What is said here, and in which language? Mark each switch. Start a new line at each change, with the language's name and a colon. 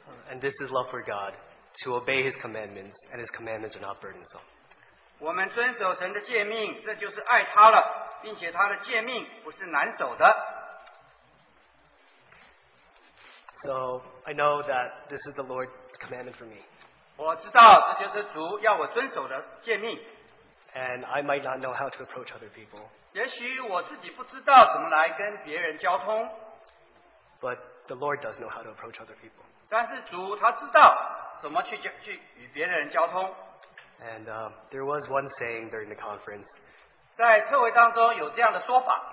English: And this is love for God, to obey His commandments, and His commandments are not burdensome.
Chinese: 我们遵守神的诫命，这就是爱他了，并且他的诫命不是难守的。
English: So I know that this is the Lord's commandment for me.
Chinese: 我知道这就是主要我遵守的诫命。
English: And I might not know how to approach other people.
Chinese: 也许我自己不知道怎么来跟别人交通。
English: But the Lord does know how to approach other people.
Chinese: 但是主他知道怎么去与别人交通。
English: And there was one saying during the conference.
Chinese: 在特会当中有这样的说法。